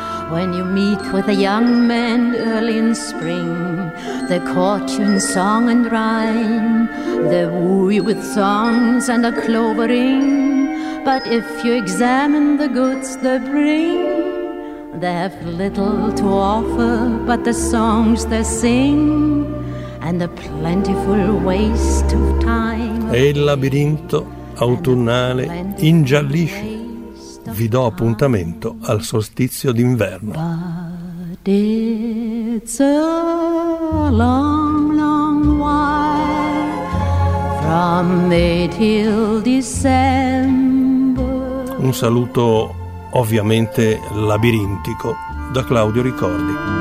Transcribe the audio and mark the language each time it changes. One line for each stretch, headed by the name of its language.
English: When you meet with a young man early in spring, the court in song and rhyme, they woo you with songs and a clover ring. But if you examine the goods they bring, they have little to offer but the songs they sing and the plentiful waste of time.
Italian: E il labirinto autunnale ingiallisce. Vi do appuntamento al solstizio d'inverno.
English: But it's a long, long while from May till December.
Italian: Un saluto ovviamente labirintico da Claudio Ricordi.